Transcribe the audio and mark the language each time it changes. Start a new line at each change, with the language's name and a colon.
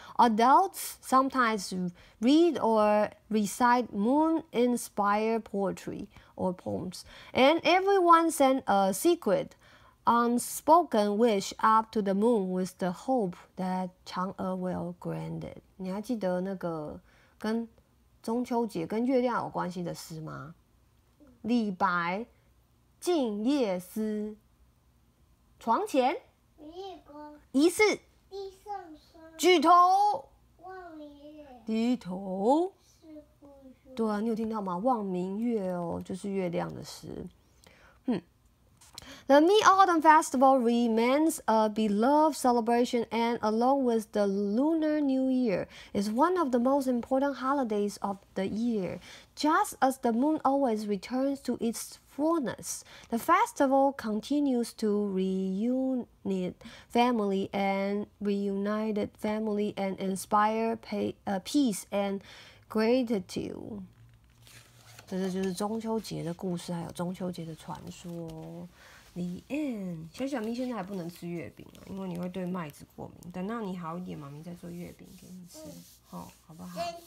English: Adults sometimes read or recite moon-inspired poetry or poems, and everyone sent a secret, unspoken wish up to the moon with the hope that Chang'e will grant it.
Chinese: 你还记得那个跟中秋节跟月亮有关系的诗吗？李白《静夜思》，床前明月光，疑是地上霜，举头望明月，低头思故乡。对啊，你有听到吗？望明月哦，就是月亮的诗。
English: The Mid-Autumn Festival remains a beloved celebration and along with the Lunar New Year is one of the most important holidays of the year. Just as the moon always returns to its fullness, the festival continues to reunite family and inspire peace and gratitude.
Chinese: 这就是中秋节的故事，还有中秋节的传说。
English: The end。
Chinese: 小咪现在还不能吃月饼了，因为你会对麦子过敏。等到你好一点，妈咪再做月饼给你吃，好、好不好？